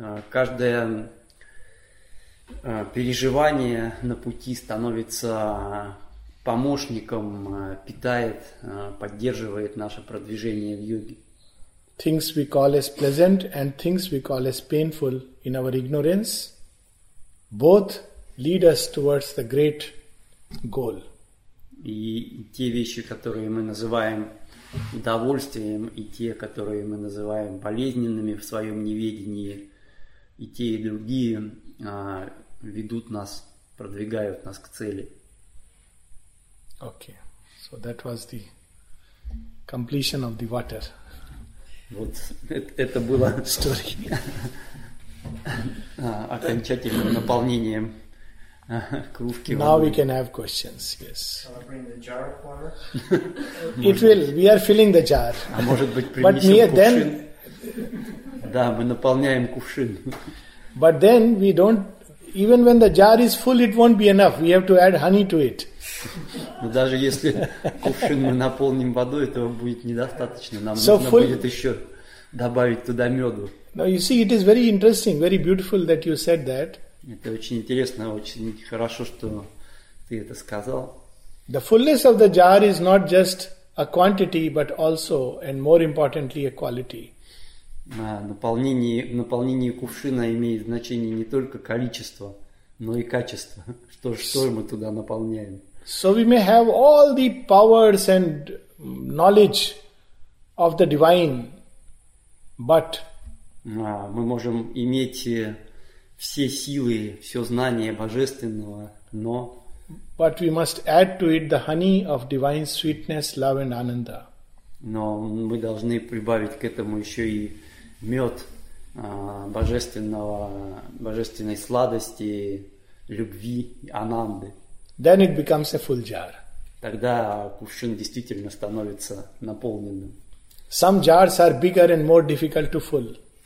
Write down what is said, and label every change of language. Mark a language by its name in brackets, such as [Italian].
[Russian] Каждое переживание на пути становится помощником, питает, поддерживает наше продвижение в йоге. [English] Things we call as pleasant and things we call as painful in our ignorance, both lead us towards the great goal. [Russian] И те вещи, которые мы называем удовольствием, и те, которые мы называем болезненными в своем неведении, и те, и другие ведут нас, продвигают нас к цели. [English] Okay, so that was the completion of the water. [Russian] Вот это было [English] story. [Russian] Окончательным наполнением кружки. [English] Now we can have questions. Yes. Shall I bring the jar of water? It will. We are filling the jar. [Russian] А может быть принесем кувшин? [English] But then, [Russian] да, мы наполняем кувшин. [English] But then we don't. Even when the jar is full, it won't be enough. We have to add honey to it. [Russian] Но даже если кувшин мы наполним водой, этого будет недостаточно. Нам [English] so [Russian] нужно [English] full... [Russian] будет еще добавить туда меду. [English] Now you see, it is very interesting, very beautiful that you said that. [Russian] Это очень интересно, очень хорошо, что ты это сказал. [English] The fullness of the jar is not just a quantity, but also, and more importantly, a quality. [Russian] Наполнение кувшина имеет значение не только количество, но и качество. Что мы туда наполняем? [English] So we may have all the powers and knowledge of the divine, but [Russian] мы можем иметь все силы, все знания божественного, но [English] but we must add to it the honey of divine sweetness, love and ananda. [Russian] Но мы должны прибавить к этому еще и мед божественной сладости, любви, ананды. [English] Then it becomes a full jar. [Russian] Тогда кувшин действительно становится наполненным. [English] Some jars are bigger and more difficult to fill.